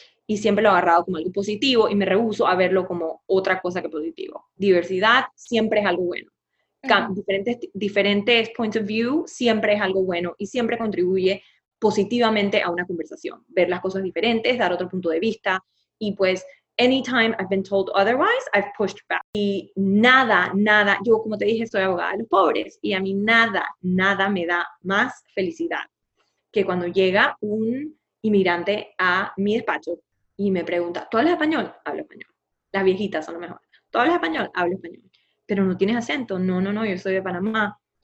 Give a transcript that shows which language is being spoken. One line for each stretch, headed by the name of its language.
Spanish: Y siempre lo he agarrado como algo positivo y me rehúso a verlo como otra cosa que positivo. Diversidad siempre es algo bueno. Diferentes
English: points of view
Spanish: siempre es algo bueno y siempre contribuye positivamente a una conversación. Ver las cosas diferentes, dar otro punto de vista. Y pues,
English: anytime I've been told otherwise, I've pushed back.
Spanish: Y nada, yo como te dije, soy abogada de los pobres. Y a mí nada me da más felicidad que cuando llega un inmigrante a mi despacho y me pregunta, ¿tú hablas español? Hablo español. Las viejitas son lo mejor. ¿Tú hablas español? Hablo español. ¿Pero no tienes acento? No, yo soy de Panamá.